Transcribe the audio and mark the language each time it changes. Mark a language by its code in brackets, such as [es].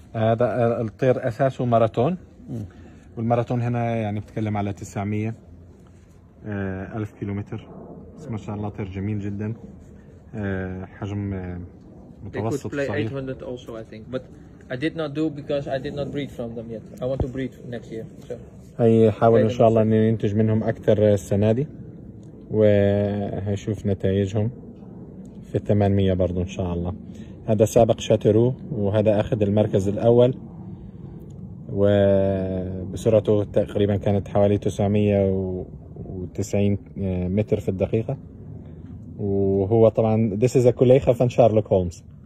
[ar] هذا الطير أساسه ماراثون. والماراثون هنا يعني بتكلم على 900 ألف كيلومتر. بس ما شاء الله طير جميل جدا. حجم متوسط صغير. [en] They could play 800 also I think. But I did not do because I did not breed from them yet. I want to breed next year. So. [ar] هي حاول إن شاء الله إني ننتج منهم أكثر السنة دي، وهشوف نتائجهم في 800 برضو إن شاء الله. هذا سابق شاترو وهذا أخذ المركز الأول، وبسرعته تقريبا كانت حوالي 990 متر في الدقيقة، وهو طبعا [en] this is a [ar] كوليخة فان شارلوك هولمز.